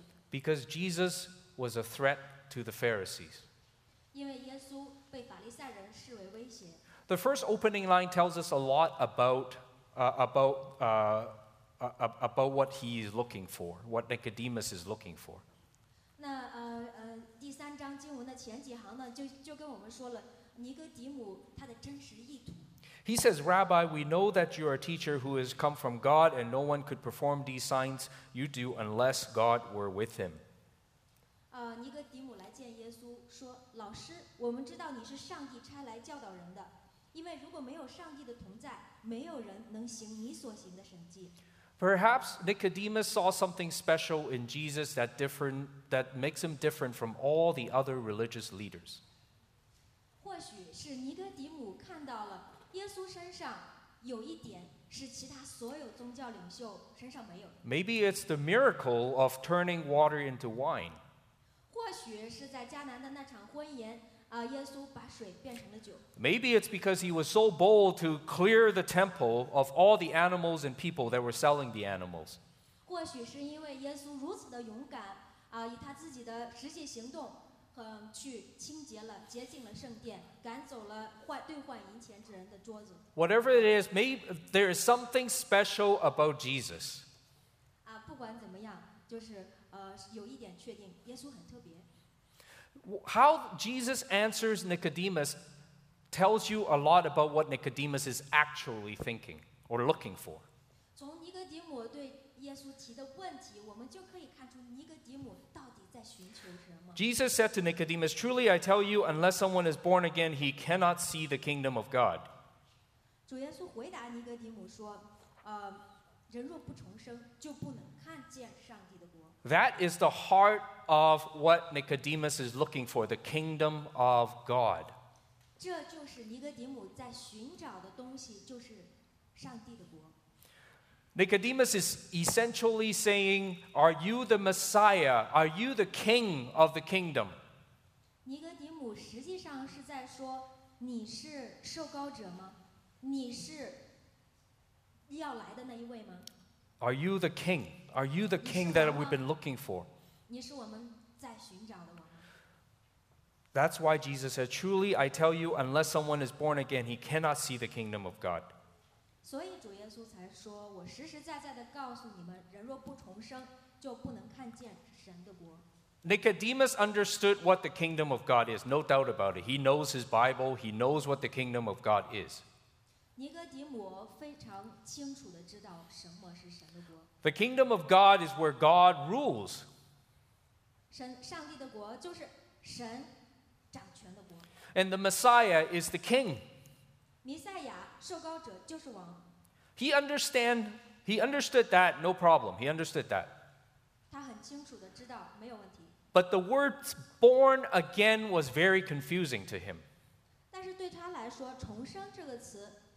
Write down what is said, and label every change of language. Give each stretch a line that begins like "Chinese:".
English: Because Jesus was a threat to the Pharisees. The first opening line tells us a lot about what he is looking for, what Nicodemus is looking for.
Chinese: 那第三章经文的前几行呢，就跟我们说了尼哥底母他的真实意图。
English: He says, Rabbi, we know that you are a teacher who has come from God, and no one could perform these signs you do unless God were with him.
Chinese: 尼哥底母来见耶稣说，老师，我们知道你是上帝差来教导人的，因为如果没有上帝的同在，没有人能行你所行的神迹。
English: Perhaps Nicodemus saw something special in Jesus that makes him different from all the other religious leaders.
Chinese: 或许是尼哥底母看到了耶稣身上有一点是其他所有宗教领袖身上没有。
English: Maybe it's the miracle of turning water into wine.
Chinese: 或许是在迦南的那场婚宴，耶稣把水变成了酒。
English: Maybe it's because he was so bold to clear the temple of all the animals and people that were selling the animals.
Chinese: 或许是因为耶稣如此的勇敢，以他自己的实际行动，去清洁了、洁净了圣殿，赶走了兑换银钱之人的桌子。
English: Whatever it is, maybe there is something special about Jesus.
Chinese: 不管怎么样，就是有一点确定，耶稣很特别。
English: How Jesus answers Nicodemus tells you a lot about what Nicodemus is actually thinking or looking for.
Chinese: 从尼哥底母对耶稣提的问题，我们就可以看出尼哥底母到底在寻求什么。
English: Jesus said to Nicodemus, "Truly, I tell you, unless someone is born again, he cannot see the kingdom of God."
Chinese: 主耶稣回答尼哥底母说，人若不重生，就不能看见上帝的国。
English: That is the heart of what Nicodemus is looking for, the kingdom of God.
Chinese: 这就是尼哥底母在寻找的东西，就是上帝的国。
English: Nicodemus is essentially saying, Are you the Messiah? Are you the king of the kingdom?
Chinese: 尼哥底母实际上是在说，你是受膏者吗？你是要来的那一位吗？
English: Are you the king? Are you the king that we've been looking for?
Chinese: 你是我们在寻找的吗？
English: That's why Jesus said, Truly, I tell you, unless someone is born again, he cannot see the kingdom of God.
Chinese: 所以主耶稣才说，我实实在在地告诉你们，人若不重生，就不能看见神的国。
English: Nicodemus understood what the kingdom of God is, no doubt about it. He knows his Bible, he knows what the kingdom of God is.
Chinese: 尼哥底母非常清楚地知道什么是神的国。
English: The kingdom of God is where God rules.
Chinese: 上帝的国就是神掌权的国。
English: And the Messiah is the king.
Chinese: 弥赛亚受膏者就是王。
English: He understood that, no problem. He understood that.
Chinese: 他很清楚地知道，没有问题。
English: But the word born again was very confusing to him.
Chinese: 但是对他来说，重生这个词